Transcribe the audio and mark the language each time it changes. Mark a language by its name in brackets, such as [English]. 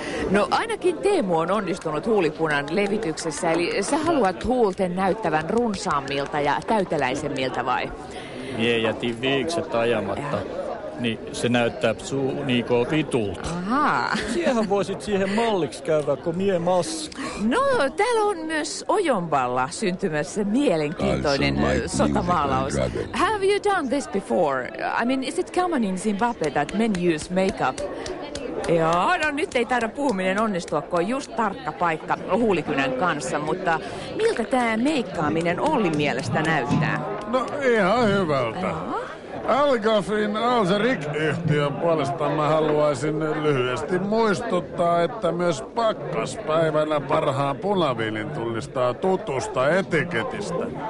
[Finnish] No ainakin Teemu on onnistunut huulipunan levityksessä, eli sä haluat huulten näyttävän runsaammilta ja täyteläisemmiltä vai? Mie jätin viikset ajamatta. Niin se näyttää suu niinku vitulta. Ahaa. Siehän voisit siihen malliksi käydä, kun mie mas. No, täällä on myös Ojonvalla syntymässä mielenkiintoinen sotamaalaus. [English] Have you done this before? I mean, is it common in Zimbabwe that men use makeup? [Finnish] Joo, no nyt ei taida puhuminen onnistua, kun on just tarkka paikka huulikynän kanssa, mutta miltä tää meikkaaminen Ollin mielestä näyttää? No, ihan hyvältä. Algafin Alzerik-yhtiön puolesta mä haluaisin lyhyesti muistuttaa, että myös pakkaspäivänä parhaan punaviinin tunnistaa tutusta etiketistä.